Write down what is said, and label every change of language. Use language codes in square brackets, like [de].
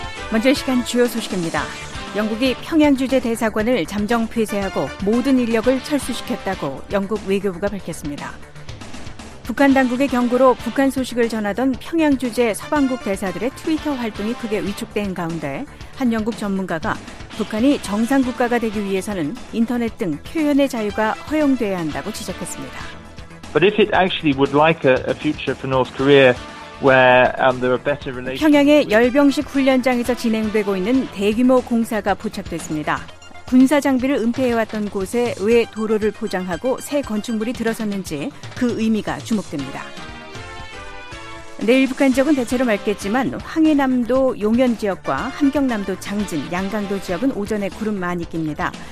[ko] 먼저 시간 주요 소식입니다. 영국이 평양주재 대사관을 잠정 폐쇄하고 모든 인력을 철수시켰다고 영국 외교부가 밝혔습니다. 북한 당국의 경고로 북한 소식을 전하던 평양주재 서방국 대사들의 트위터 활동이 크게 위축된 가운데 한 영국 전문가가 북한이 정상국가가 되기 위해서는 인터넷 등 표현의 자유가 허용돼야 한다고 지적했습니다. [en] But if it actually would like a future for North Korea where there are better relations. [ko] 평양의 열병식 훈련장에서 진행되고 있는 대규모 공사가 포착됐습니다. 군사 장비를 은폐해왔던 곳에 왜 도로를 포장하고 새 건축물이 들어섰는지 그 의미가 주목됩니다. 내일 북한 지역은 대체로 맑겠지만 황해남도 용현 지역과 함경남도 장진, 양강도 지역은 오전에 구름 많이 낍니다.